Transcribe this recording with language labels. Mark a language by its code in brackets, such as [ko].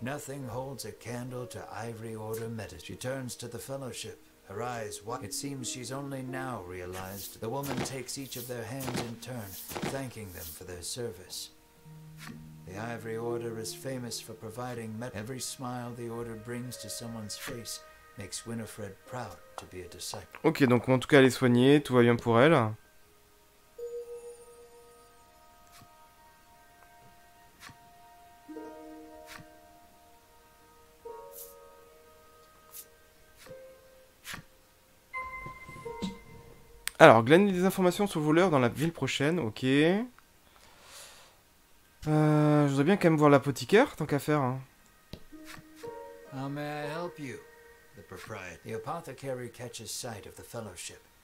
[en] Nothing holds a candle to Ivory Order Medis. She turns to the fellowship. Her eyes wide. It seems she's only now realized. The woman takes each of their hands in turn, thanking them for their service. The Ivory Order is famous for providing med. Every smile the order brings to someone's face. Makes Winifred proud to be a disciple. [fr] Ok, donc en tout cas, elle est soignée, tout va bien pour elle. Alors, glaner des informations sur le voleur dans la ville prochaine, ok. Je voudrais bien quand même voir l'apothicaire, tant qu'à faire. [en] How may I help you? The apothecary catches sight of the fellowship.